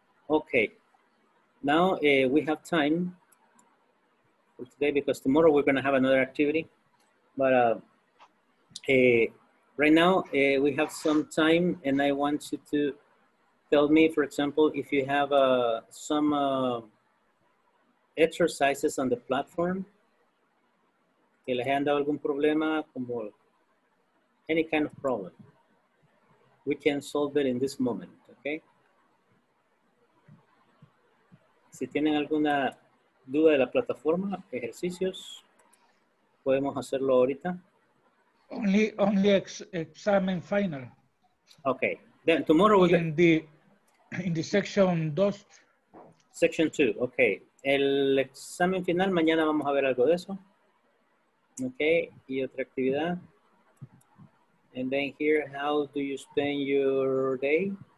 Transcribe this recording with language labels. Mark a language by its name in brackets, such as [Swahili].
[English] Okay, now we have time today, because tomorrow we're going to have another activity, but right now we have some time, and I want you to tell me, for example, if you have some exercises on the platform, [Spanish] que les han dado algún problema, como [English] any kind of problem, we can solve it in this moment, okay? [Spanish] Si tienen alguna duda de la plataforma, ejercicios, podemos hacerlo ahorita. Only examen final. [English] Okay. Then tomorrow we'll in the section 2. Section 2. Okay. [Spanish] El examen final mañana vamos a ver algo de eso. Okay. Y otra actividad. [English] And then here, how do you spend your day?